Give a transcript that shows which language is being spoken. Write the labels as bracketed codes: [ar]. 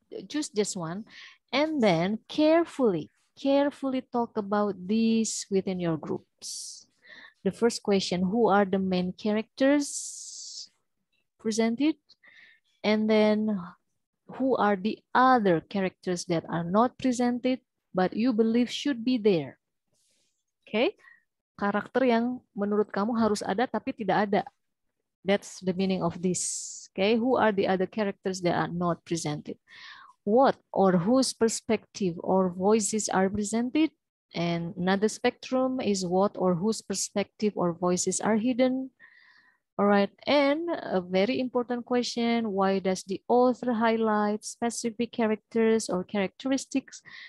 [en] Choose just one, and then carefully talk about these within your group. The first question, who are the main characters presented? And then who are the other characters that are not presented but you believe should be there? [id] Okay, karakter yang menurut kamu harus ada tapi tidak ada. [en] That's the meaning of this. Okay, who are the other characters that are not presented? What or whose perspective or voices are presented? And another spectrum is what or whose perspective or voices are hidden. All right, and a very important question, why does the author highlight specific characters or characteristics?